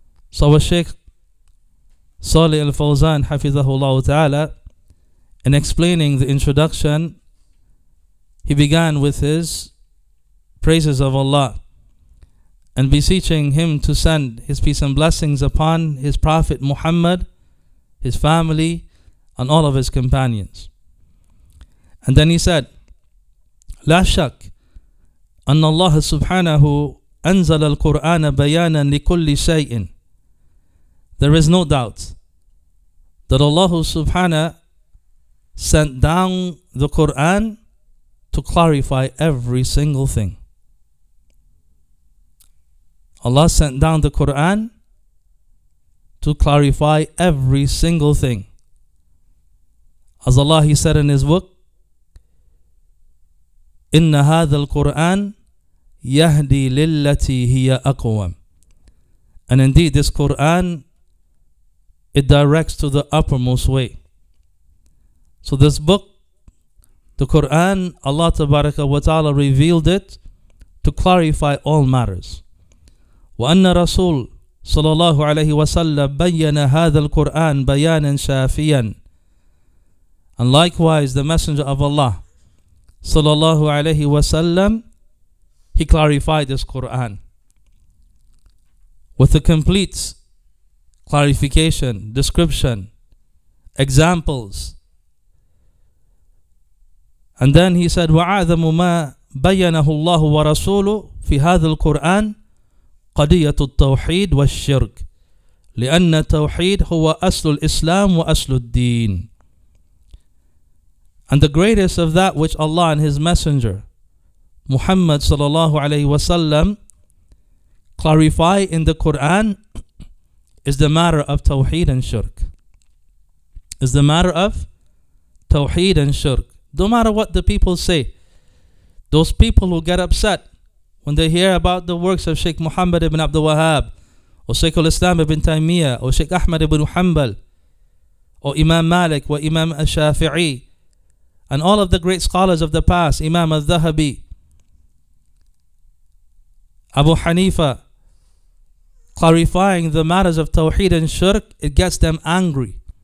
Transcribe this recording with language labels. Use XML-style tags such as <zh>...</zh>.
<en>So our Shaykh Saleh Al-Fawzan Hafidhahullah Ta'ala, in explaining the introduction, he began with his praises of Allah and beseeching Him to send His peace and blessings upon His Prophet Muhammad, his family, and all of his companions. And then he said,</en> <ar>لا شك أن الله سبحانه أنزل القرآن بيانا لكل شيء.</ar> <en>There is no doubt that Allah subhanahu sent down the Quran to clarify every single thing. Allah sent down the Quran to clarify every single thing. As Allah, He said in His book,</en> <ar>إن هذا القرآن يهدي للتي هي أقوم.</ar> <en>And indeed, this Quran, it directs to the uppermost way. So this book, the Quran, Allah Tabaraka wa Ta'ala revealed it to clarify all matters.</en> <ar>وأن رسول صلى الله عليه وسلم بيّن هذا القرآن بيانا شافيا.</ar> <en>And likewise, the Messenger of Allah sallallahu alayhi wa sallam, he clarified this Quran with a complete clarification, description, examples. And then he said,</en> <ar>وَعَذَمُ مَا بَيَّنَهُ اللَّهُ وَرَسُولُ فِي هَذَا الْقُرْآنِ قَدِيَةُ التَّوْحِيدُ وَالشِّرْكُ لِأَنَّ التَّوْحِيدُ هُوَ أَسْلُ الْإِسْلَامُ وَأَسْلُ الدِّينِ.</ar> <en>And the greatest of that which Allah and His Messenger, Muhammad sallallahu alayhi wa sallam, clarify in the Quran is the matter of Tawheed and Shirk. Is the matter of Tawheed and Shirk. No matter what the people say, those people who get upset when they hear about the works of Shaykh Muhammad ibn Abdul-Wahaab, or Shaykh al-Islam ibn Taymiyyah, or Shaykh Ahmad ibn Hanbal, or Imam Malik, or Imam al-Shafi'i, and all of the great scholars of the past, Imam al-Dhahabi, Abu Hanifa, clarifying the matters of Tawheed and Shirk, it gets them angry.</en>